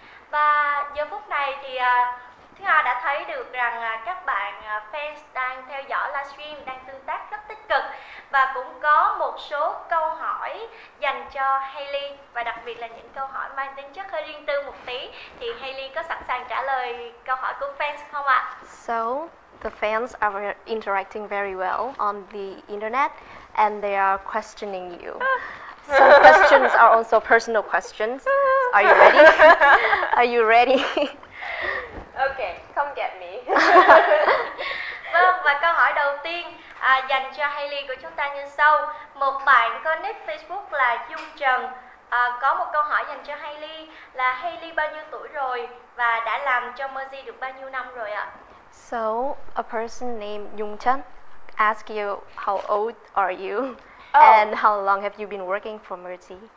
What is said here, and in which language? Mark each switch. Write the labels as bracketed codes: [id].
[vi] Và giờ phút này thì Thúy Hoa đã thấy được rằng các bạn fans đang theo dõi livestream, đang tương tác rất tích cực và cũng có một số câu hỏi dành cho Hailey và đặc biệt là những câu hỏi mang tính chất hơi riêng tư một tí. Thì Hailey có sẵn sàng trả lời câu hỏi của fans không ạ? [en] So, the fans are interacting very well on the internet and they are questioning you. Some questions are also personal questions. Are you ready? Are you ready? Okay, come get me. [vi] Vâng, và câu hỏi đầu tiên dành cho Hailey của chúng ta như sau. Một bạn có nick Facebook là Dung Trần có một câu hỏi dành cho Hailey là Hailey bao nhiêu tuổi rồi và đã làm cho Mercy được bao nhiêu năm rồi ạ? [en] So, a person named Dung Trần ask you how old are you and how long have you been working for Mercy?